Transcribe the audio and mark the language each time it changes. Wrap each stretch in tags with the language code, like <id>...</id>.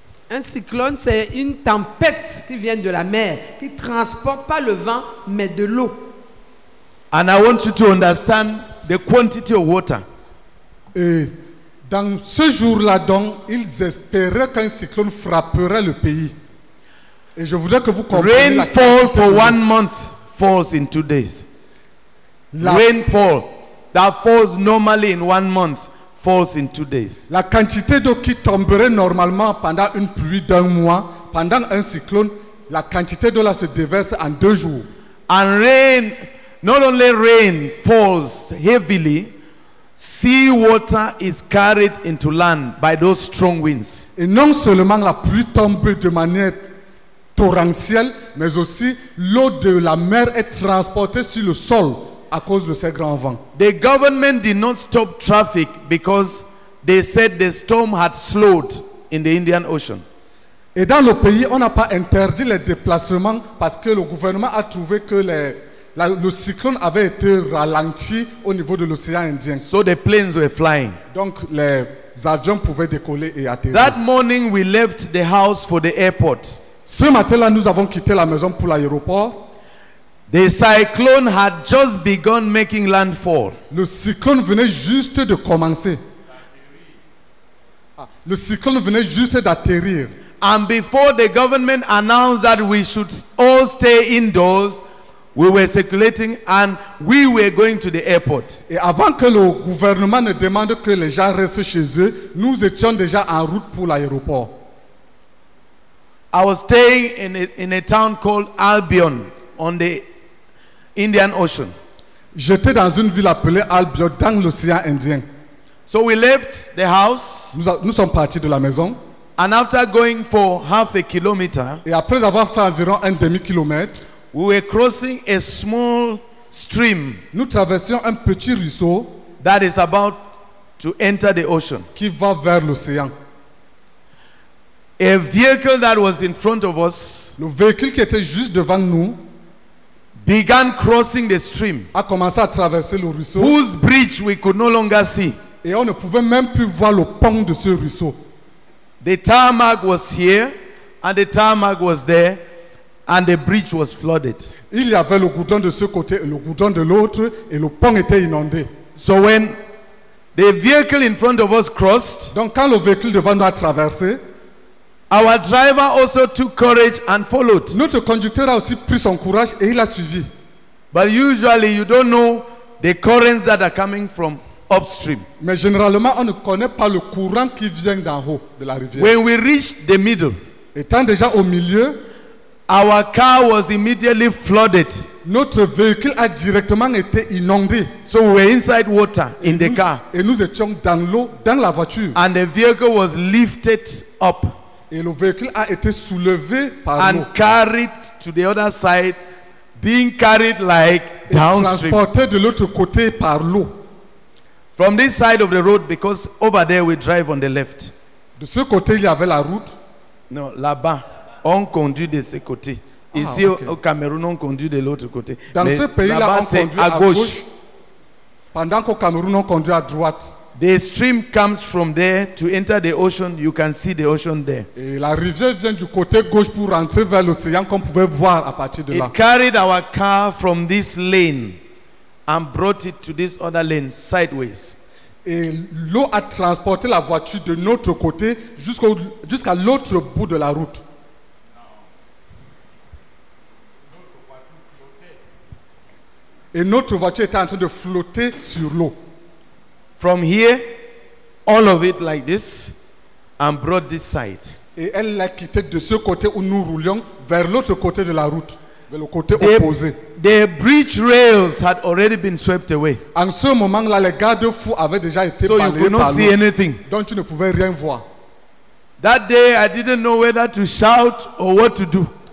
<fr>Un cyclone, c'est une tempête qui vient de la mer, qui transporte pas le vent mais de l'eau.</fr> <en>And I want you to understand the quantity of water.</en> <fr>Et dans ce jour-là donc, ils espéraient qu'un cyclone frapperait le pays. Et je voudrais que vous compreniez.</fr> <en>Rainfall for 1 month falls in 2 days. Rainfall that falls normally in 1 month falls in 2 days.</en> <fr>La quantité d'eau qui tomberait normalement pendant une pluie d'un mois, pendant un cyclone, la quantité d'eau là se déverse en 2 jours.</fr> <en>And rain, not only rain falls heavily, sea water is carried into land by those strong winds.</en> <fr>Et non seulement la pluie tombe de manière torrentielle, mais aussi l'eau de la mer est transportée sur le sol à cause de ces grands vents.</fr> <en>The government did not stop traffic because they said the storm had slowed in the Indian Ocean.</en> <fr>Et dans le pays, on n'a pas interdit les déplacements parce que le gouvernement a trouvé que le cyclone avait été ralenti au niveau de l'océan Indien.</fr> <en>So the planes were flying.</en> <fr>Donc les avions pouvaient décoller et atterrir.</fr> <en>That morning we left the house for the airport.</en> <fr>Ce matin-là, nous avons quitté la maison pour l'aéroport.</fr> <en>The cyclone had just begun making landfall.</en> <fr>Le cyclone venait juste de commencer. Le cyclone venait juste d'atterrir.</fr> <en>And before the government announced that we should all stay indoors, we were circulating and we were going to the airport.</en> <fr>Et avant que le gouvernement ne demande que les gens restent chez eux, nous étions déjà en route pour l'aéroport.</fr> <en>I was staying in a town called Albion on the Indian Ocean.</en> <fr>J'étais dans une ville appelée Albion dans l'océan Indien.</fr> <en>So we left the house.</en> <fr>Nous sommes partis de la maison.</fr> <en>And after going for half a kilometer,</en> <fr>et après avoir fait environ un demi-kilomètre,</fr> <en>we were crossing a small stream.</en> <fr>Nous traversions un petit ruisseau</fr> <en>that is about to enter the ocean.</en> <fr>Qui va vers l'océan.</fr> <en>A vehicle that was in front of us,</en> <fr>le véhicule qui était juste devant nous,</fr> <en>began crossing the stream.</en> <fr>A commencé à traverser le ruisseau.</fr> <en>Whose bridge we could no longer see.</en> <fr>Et on ne pouvait même plus voir le pont de ce ruisseau.</fr> <en>The tarmac was here and the tarmac was there and the bridge was flooded.</en> <fr>Il y avait le goudron de ce côté et le goudron de l'autre et le pont était inondé.</fr> <en>So when the vehicle in front of us crossed,</en> <fr>donc quand le véhicule devant nous a traversé,</fr> <en>our driver also took courage and followed.</en> <fr>Notre conducteur a aussi pris son courage et il a suivi.</fr> <en>But usually you don't know the currents that are coming from upstream.</en> <fr>Mais généralement on ne connaît pas le courant qui vient d'en haut de la rivière.</fr> <en>When we reached the middle,</en> <fr>étant déjà au milieu,</fr> <en>our car was immediately flooded.</en> <fr>Notre véhicule a directement été inondé.</fr> <en>So we were inside water in the car.</en> <fr>Et nous étions dans l'eau dans la voiture.</fr> <en>And the vehicle was lifted up.</en> <fr>Et le véhicule a été soulevé par l'eau.</fr> <en>And carried to the other side, being carried like downstream.</en> <fr>Transporté de l'autre côté par l'eau.</fr> <en>From this side of the road, because over there we drive on the left.</en> <fr>De ce côté il y avait la route. Non, là-bas. On conduit de ce côté. Ici okay. Au Cameroun, on conduit de l'autre côté. Dans mais ce pays-là, on conduit à gauche. Pendant qu'au Cameroun, on conduit à droite.</fr> <en>The stream comes from there to enter the ocean. You can see the ocean there.</en> <fr>Et la rivière vient du côté gauche pour rentrer vers l'océan qu'on pouvait voir à partir de là.</fr> <en>It carried our car from this lane and brought it to this other lane sideways.</en> <fr>Et l'eau a transporté la voiture de notre côté jusqu'à l'autre bout de la route. Et notre voiture était en train de flotter sur l'eau.</fr> <en>From here, all of it like this, and brought this side.</en> <fr>Et elle l'a quitté de ce côté où nous roulions vers l'autre côté de la route, vers le côté opposé.</fr> <en>The bridge rails had already been swept away.</en> <fr>En ce moment-là, les garde-fous avaient déjà été</fr> <en>balayés. So you could not see anything.</en> <fr>Donc tu ne pouvais rien voir.</fr> <en>That day, I didn't know whether to shout or what to do.</en>